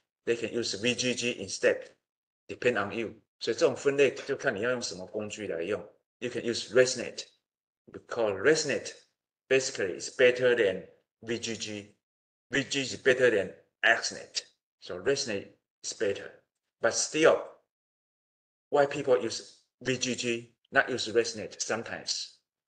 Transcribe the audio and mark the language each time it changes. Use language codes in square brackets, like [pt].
[en] They can use VGG instead, depend on you. So [zh] 这种分类就看你要用什么工具来用. [en] You can use ResNet, because ResNet basically is better than VGG. VGG is better than XNet. So ResNet is better. But still, why people use VGG, not use ResNet sometimes?